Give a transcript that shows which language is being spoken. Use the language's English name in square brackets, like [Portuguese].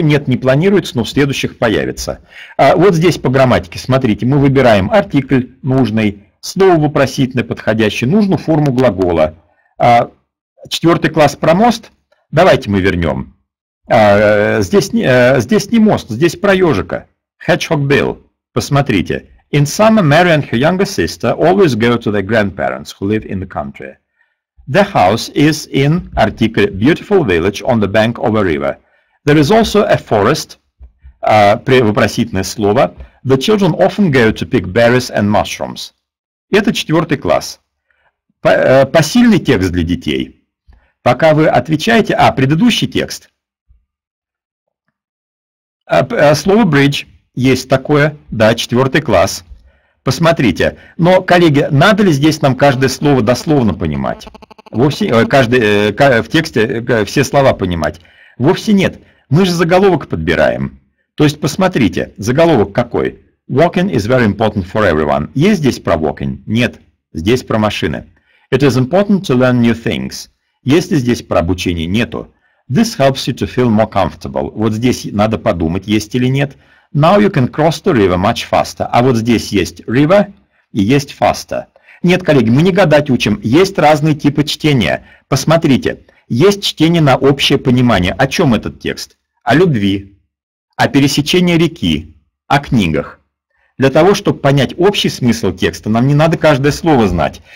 [Russian] Нет, не планируется, но в следующих появится. Вот здесь по грамматике. Смотрите, мы выбираем артикль нужный. Слово вопросительное подходящее, нужную форму глагола. Четвертый класс про мост. Давайте мы вернем. Здесь не мост, здесь про ежика. Hedgehog Bill. Посмотрите. [English] In summer, Mary and her younger sister always go to their grandparents who live in the country. The house is in article beautiful village on the bank of a river. There is also a forest. [Russian] Вопросительное слово. [English] The children often go to pick berries and mushrooms. [Russian] Это четвертый класс. Посильный текст для детей. Пока вы отвечаете... предыдущий текст. Слово «bridge» есть такое. Да, четвертый класс. Посмотрите. Но, коллеги, надо ли здесь нам каждое слово дословно понимать? Вовсе, в тексте все слова понимать? Вовсе нет. Мы же заголовок подбираем. То есть, посмотрите, заголовок какой? [English] Walking is very important for everyone. [Russian] Есть здесь про walking? Нет. Здесь про машины. [English] It is important to learn new things. [Russian] Есть ли здесь про обучение? [English] Нету. This helps you to feel more comfortable. [Russian] Вот здесь надо подумать, есть или нет. [English] Now you can cross the river much faster. [Russian] А вот здесь есть river и есть faster. Нет, коллеги, мы не гадать учим. Есть разные типы чтения. Посмотрите, есть чтение на общее понимание. О чем этот текст? О любви, о пересечении реки, о книгах. Для того, чтобы понять общий смысл текста, нам не надо каждое слово знать.